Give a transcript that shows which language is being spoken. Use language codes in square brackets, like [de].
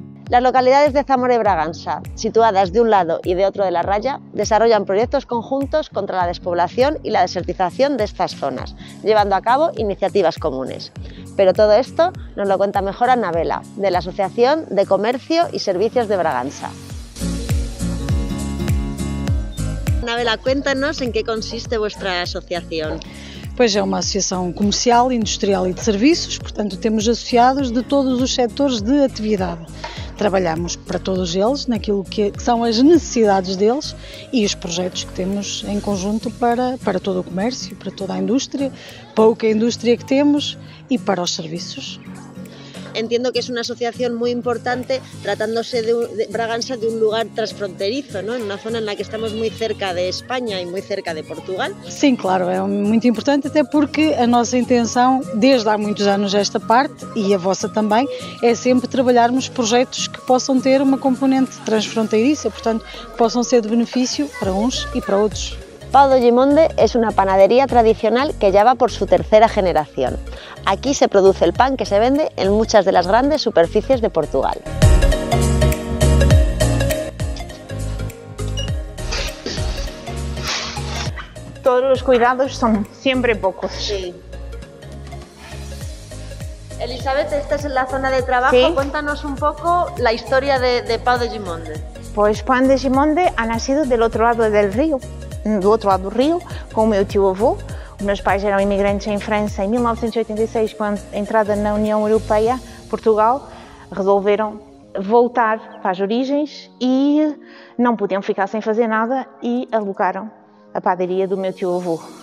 [es] Las localidades de Zamora y Braganza, situadas de un lado y de otro de la raya, desarrollan proyectos conjuntos contra la despoblación y la desertización de estas zonas, llevando a cabo iniciativas comunes. Pero todo esto nos lo cuenta mejor Anabela, de la Asociación de Comercio y Servicios de Braganza. Anabela, cuéntanos en qué consiste vuestra asociación. [pt] Pois é uma associação comercial, industrial e de serviços, portanto temos associados de todos os setores de atividade. Trabalhamos para todos eles, naquilo que são as necessidades deles e os projetos que temos em conjunto para todo o comércio, para toda a indústria, pouca indústria que temos e para os serviços. [es] Entiendo que es una asociación muy importante tratándose de Braganza, de un lugar transfronterizo, ¿no? En una zona en la que estamos muy cerca de España y muy cerca de Portugal. Sí, claro, es muy importante, [pt] até porque a nossa intenção, desde há muitos anos esta parte, e a vossa também, é sempre trabalharmos projetos que possam ter uma componente transfronteiriça, portanto, possam ser de benefício para uns e para outros. [es] Pau do Gimonde es una panadería tradicional que ya va por su tercera generación. Aquí se produce el pan que se vende en muchas de las grandes superficies de Portugal. Todos los cuidados son siempre pocos. Sí. Elizabeth, esta es la zona de trabajo. ¿Sí? Cuéntanos un poco la historia de Pau do Gimonde. Pues Pau do Gimonde ha nacido del otro lado del río. [pt] Do outro lado do rio, com o meu tio-avô. Os meus pais eram imigrantes em França em 1986, com a entrada na União Europeia, Portugal, resolveram voltar para as origens e não podiam ficar sem fazer nada e alugaram a padaria do meu tio-avô.